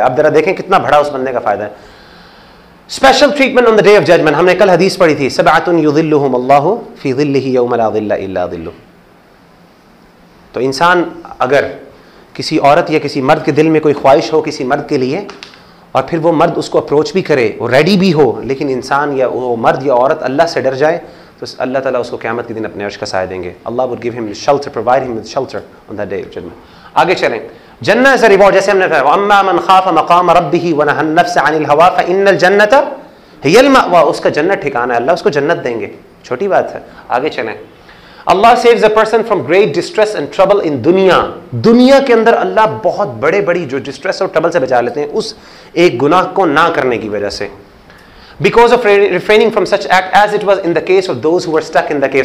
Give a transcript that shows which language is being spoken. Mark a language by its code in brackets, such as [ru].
[ur] اب ذرا دیکھیں کتنا بڑا اس بندے کا فائدہ ہے. [en] special treatment on the day of judgment, [ur] ہم نے کل حدیث پڑھی تھی, [ar] سبعت یظلہم اللہ فی ظلہ یوم لا ظل الا ظلہ. [ur] تو انسان اگر کسی عورت یا کسی مرد کے دل میں کوئی خواہش ہو کسی مرد کے لیے, اور پھر وہ مرد اس کو اپروچ بھی کرے, وہ ریڈی بھی ہو, لیکن انسان یا وہ مرد یا عورت اللہ سے ڈر جائے, تو اللہ تعالیٰ اس کو قیامت کے دن اپنے عرش کا سایہ دیں گے. [en] Allah would give him shelter, provide him with shelter on that day of judgment. [ur] آگے چلیں, جنہ سے ریوارڈ, جیسے ہم نے کہا [ar] وَأَمَّا مَنْ خَافَ مَقَامَ رَبِّهِ وَنَهَا النَّفْسَ عَنِ الْهَوَى فَإِنَّ الْجَنَّةَ هِيَ الْمَأْوَى, [ur] اس کا جنت ٹھکانا ہے, اللہ اس کو جنت دیں گے, چھوٹی بات ہے. آگے چلیں, [en] Allah saves a person from great distress and trouble in دنیا, [ur] دنیا کے اندر اللہ بہت بڑے بڑی جو ڈسٹریس اور ٹربل سے بچا لیتے ہیں اس ایک گناہ کو نہ کرنے کی وجہ سے, [en] Because of refraining from such act as it was in the case of those who are stuck in the queue.